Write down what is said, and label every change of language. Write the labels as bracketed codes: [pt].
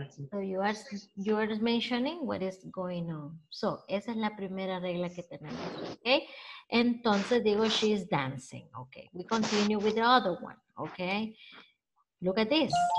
[en] So you are mentioning what is going on. [es] So, esa es la primera regla que tenemos. [en] Okay? [es] Entonces digo, [en] she's dancing. Okay, we continue with the other one. Okay? Look at this.